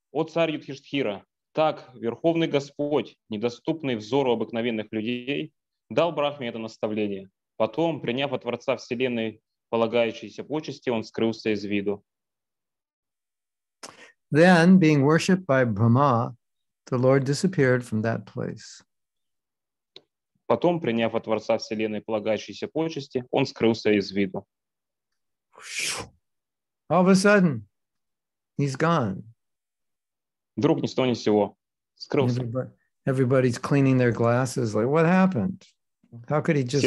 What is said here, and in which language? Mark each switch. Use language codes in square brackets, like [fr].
[ru] О царь Юдхиштхира, так Верховный Господь, недоступный взору обыкновенных людей, дал Брахме это наставление. Потом, приняв от Творца Вселенной полагающиеся почести, он скрылся из виду. [en] Then, being worshipped by Brahma, the Lord disappeared from that place. [ru] Потом, приняв от Творца Вселенной полагающиеся почести, он скрылся из виду. [en] All of a sudden, he's gone. [ru] Вдруг ни с того ни с сего. Скрылся. [en] Everybody's cleaning their glasses, like, what happened? How could he just go?